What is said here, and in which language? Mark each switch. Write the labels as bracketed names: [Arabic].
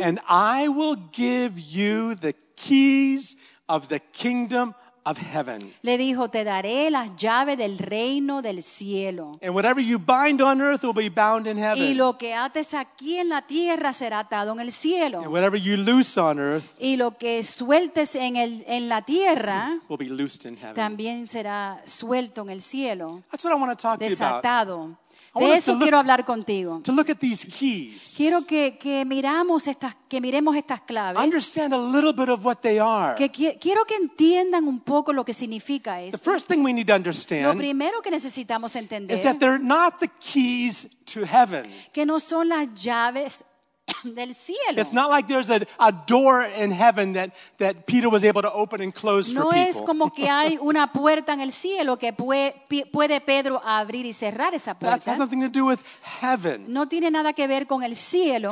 [English] and I will give you the keys of the kingdom of heaven. [Spanish] Le dijo, te daré las llaves del reino del cielo. [English] And whatever you bind on earth will be bound in heaven. [Spanish] Y lo que ates aquí en la tierra será atado en el cielo. [English] And whatever you loose on earth, [Spanish] y lo que sueltes en la tierra, [English] will be loosed in heaven. [Spanish] También será suelto en el cielo. [English] That's what I want to talk [Spanish] desatado. [English] To you about. [Spanish] De eso quiero hablar contigo. [English] To look at these keys. [Spanish] Quiero que miremos estas claves. [English] Understand a little bit of what they are. [Spanish] Quiero que entiendan un poco lo que significa esto. [English] The first thing we need to understand, [Spanish] lo primero que necesitamos entender, [English] is that they're not the keys to heaven. [Spanish] Que no son las llaves del cielo. [English] It's not like there's a door in heaven that Peter was able to open and close [Spanish] no [English] for people. [Spanish] No es como que hay una puerta en el cielo que puede Pedro abrir y cerrar esa puerta. [English] That has nothing to do with heaven. [Spanish] No tiene nada que ver con el cielo.